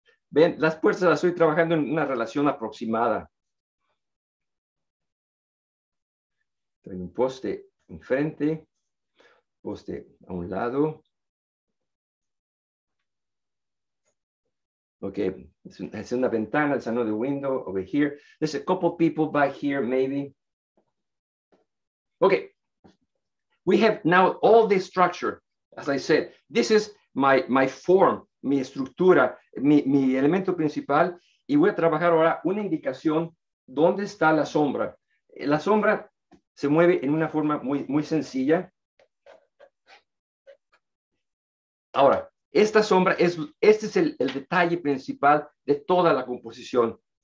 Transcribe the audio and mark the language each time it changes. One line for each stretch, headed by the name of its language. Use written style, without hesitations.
Spanish: Ven, las puertas las estoy trabajando en una relación aproximada. Tengo un poste enfrente, poste a un lado.
English: Okay, it's
Spanish: una ventana,
English: it's another window over here. There's a couple of people back here, maybe. Okay, we have now all this structure. As I said, this is my form,
Spanish: mi estructura, mi elemento principal, y voy a trabajar ahora una indicación dónde está la sombra. La sombra se mueve en una forma muy, muy sencilla. Ahora, esta sombra, este es el detalle principal de toda la composición.